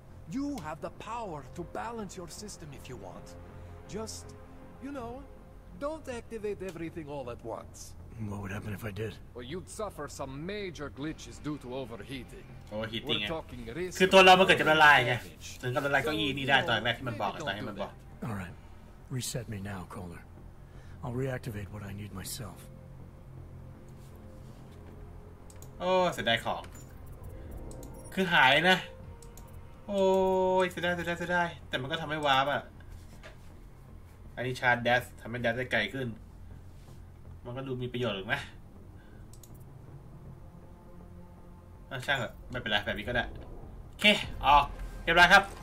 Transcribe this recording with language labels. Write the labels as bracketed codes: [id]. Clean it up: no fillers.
[en] You have the power to balance your system if you want. Just, you know, don't activate everything all at once. What would happen if I did? Well, you'd suffer some major glitches due to overheating. Overheating. We're talking risk. [th] คือตัวเรามันเกิดจะละลายไงถึงกับละลายเก้าอี้นี่ได้ตอนแรกที่มันบอก [en] All right, reset me now, caller. I'll reactivate what I need myself. [th] โอ้เสียดายของคือหายนะโอ้ยเสียดายแต่มันก็ทำให้วาร์ปอ่ะอันนี้ชาร์จแดสทำให้แดสได้ไกลขึ้นมันก็ดูมีประโยชน์หรือไหมช่างเถอะไม่เป็นไรแบบนี้ก็ได้โอเคออกเรียบร้อยครับ